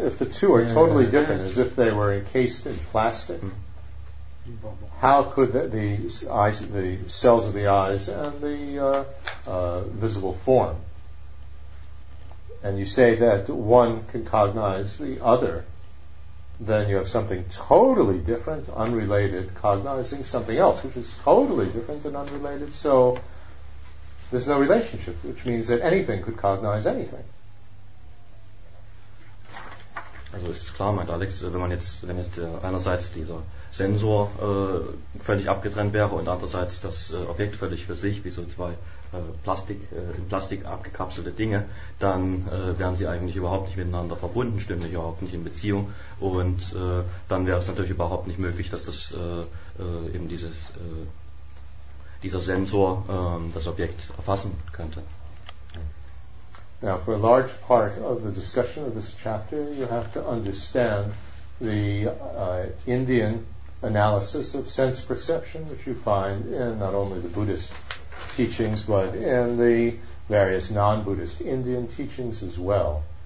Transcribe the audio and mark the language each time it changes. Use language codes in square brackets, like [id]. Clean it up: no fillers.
[en] If the two are totally different, as if they were encased in plastic, how could the cells of the eyes and the visible form, and you say that one can cognize the other, then you have something totally different, unrelated, cognizing something else, which is totally different and unrelated, so there's no relationship, which means that anything could cognize anything. [de] Also ist klar, meint Alex, wenn jetzt einerseits dieser Sensor völlig abgetrennt wäre und andererseits das Objekt völlig für sich, wie so zwei in Plastik abgekapselte Dinge, dann wären sie eigentlich überhaupt nicht miteinander verbunden, stünden sie überhaupt nicht in Beziehung und dann wäre es natürlich überhaupt nicht möglich, dass das eben dieser Sensor das Objekt erfassen könnte. [en] Now, for a large part of the discussion of this chapter, you have to understand the Indian analysis of sense perception, which you find in not only the Buddhist teachings, but in the various non-Buddhist Indian teachings as well.